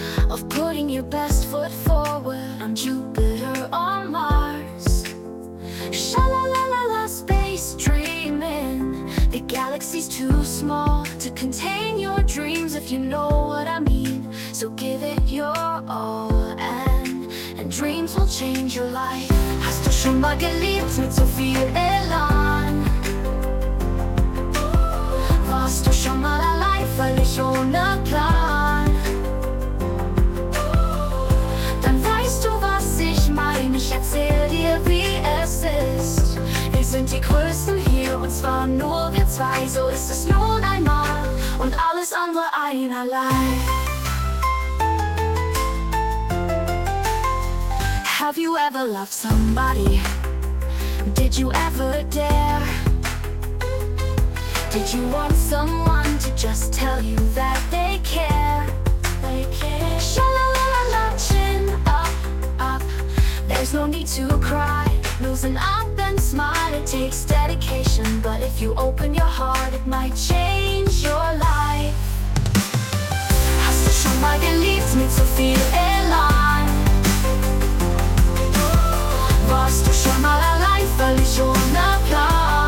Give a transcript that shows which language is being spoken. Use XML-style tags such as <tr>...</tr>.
<en>Of putting your best foot forward on Jupiter or Mars? Sha-la-la-la-la, space dreaming. The galaxy's too small to contain your dreams, if you know what I mean. So give it your all, and dreams will change your life.</en> <de>Hast du schon mal geliebt mit so viel Elan? Warst du schon mal allein, völlig ohne Plan? Dann weißt du, was ich meine, ich erzähl dir, wie es ist. Wir sind die Größten hier, und zwar nur wir zwei. So ist es nun einmal, und alles andere einerlei.</de> <en>Have you ever loved somebody? Did you ever dare? Did you want someone to just tell you that they care? They care. Sha-la-la-la-la, chin up, up. There's no need to cry. Loosen up and smile, it takes dedication. But if you open your heart, it might change your life.</en> <de>Hast du schon mal geliebt mit so viel Elan? Warst du schon mal allein, völlig ohne Plan?</de>